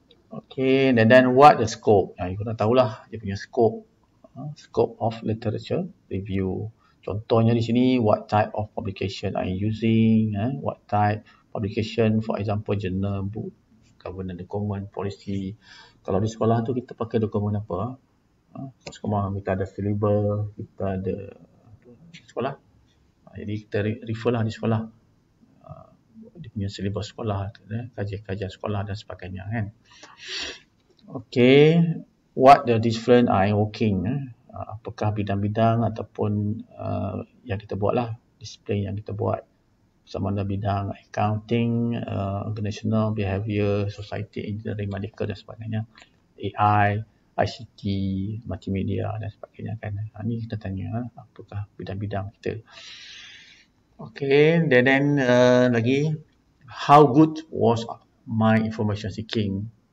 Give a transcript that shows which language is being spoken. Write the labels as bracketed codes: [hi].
[en] Okay, then what the scope? Nah, you [ms] kena tahulah dia punya [en] scope. Scope of literature review. [ms] Contohnya di sini, [en] what type of publication are you using? What type publication, for example, journal, book, governance document, policy. [ms] Kalau di sekolah tu kita pakai dokumen apa? Sekolah kita ada syllabus, kita ada sekolah. Jadi kita refer lah di sekolah. Dia punya syllabus sekolah, kajian-kajian sekolah dan sebagainya kan. [en] Okay, what the discipline I working? [ms] Apakah bidang-bidang ataupun yang kita buat lah, discipline yang kita buat. Sama ada bidang accounting, organizational behavior, society, engineering, medical dan sebagainya. AI, ICT, multimedia dan sebagainya kan. Ini kita tanya apakah bidang-bidang kita. [en] Okay, then [ms] lagi, [en] how good was my information seeking?